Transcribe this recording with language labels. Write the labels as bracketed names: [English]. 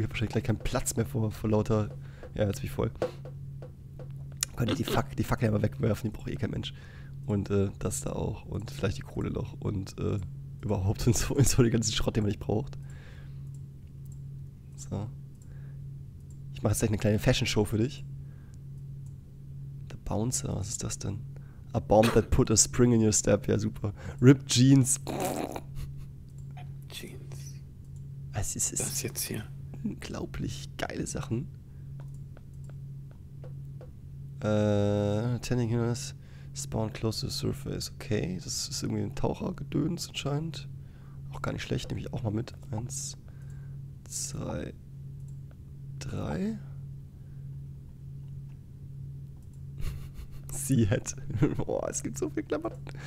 [German] Ich habe wahrscheinlich gleich keinen Platz mehr vor lauter. Ja, jetzt bin ich voll. Könnte ich die Fackel einmal wegwerfen, die braucht eh kein Mensch. Und das da auch. Und vielleicht die Kohle noch. Und überhaupt und so den ganzen Schrott, den man nicht braucht. So. Ich mache jetzt gleich eine kleine Fashion-Show für dich. Der Bouncer, was ist das denn? [English] A bomb that put a spring in your step. [German] Ja, super. Ripped Jeans. Jeans. Also, es ist das jetzt hier? Unglaublich geile Sachen. Tending Hinders. [English] Spawn close to the surface. [German] Okay, das ist irgendwie ein Tauchergedöns anscheinend. Auch gar nicht schlecht, nehme ich auch mal mit. Eins, zwei, drei. Sea Hat. Boah, es gibt so viel Klamotten.